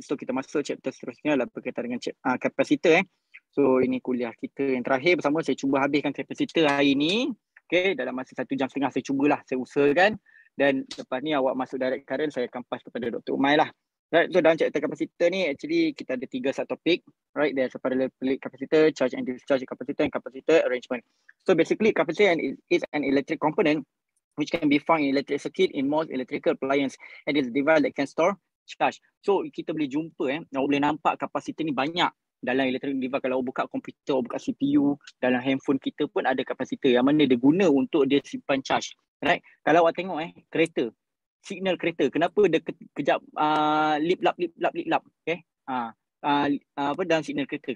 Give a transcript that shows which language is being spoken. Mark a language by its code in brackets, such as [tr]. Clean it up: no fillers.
[ms] So kita masuk chapter seterusnya lah berkaitan dengan kapasitor So ini kuliah kita yang terakhir bersama. Saya cuba habiskan kapasitor hari ni. Okay, dalam masa 1.5 jam saya cubalah, saya usahakan. Dan lepas ni awak masuk direct current, saya akan pass kepada Dr. Umai lah. Right, so dalam chapter kapasitor ni actually kita ada 3 subtopik. [en] Right, there's a parallel plate capacitor, charge and discharge capacitor and capacitor arrangement. So basically capacitor is an electric component which can be found in electric circuit in most electrical appliance and is a device that can store charge. [ms] So kita boleh jumpa awak boleh nampak kapasitor ni banyak dalam electric device. Kalau buka komputer, buka CPU, dalam handphone kita pun ada kapasitor yang mana dia guna untuk dia simpan charge. Right, kalau awak tengok kereta, signal kereta, kenapa dia kejap lip lap okey apa dalam signal kereta?